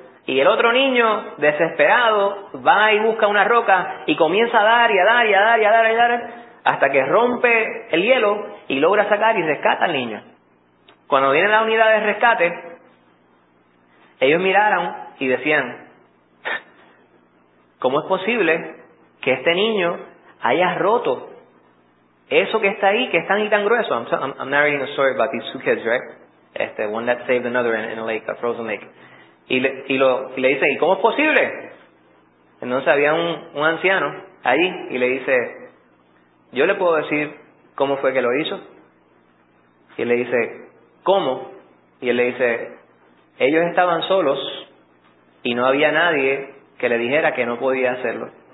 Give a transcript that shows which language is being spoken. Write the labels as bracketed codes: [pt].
[es] Y el otro niño, desesperado, va y busca una roca y comienza a dar y a dar y a dar y a dar y a dar hasta que rompe el hielo y logra sacar y rescata al niño. Cuando viene la unidad de rescate, ellos miraron y decían, ¿cómo es posible que este niño haya roto eso que está ahí, que es tan y tan grueso? [en] I'm narrating a story about these two kids, right? One that saved another in a lake, a frozen lake. [es] Y le dice, ¿y cómo es posible? Entonces había un anciano ahí y le dice, ¿yo le puedo decir cómo fue que lo hizo? Y él le dice, ¿cómo? Y él le dice, ellos estaban solos y no había nadie que le dijera que no podía hacerlo.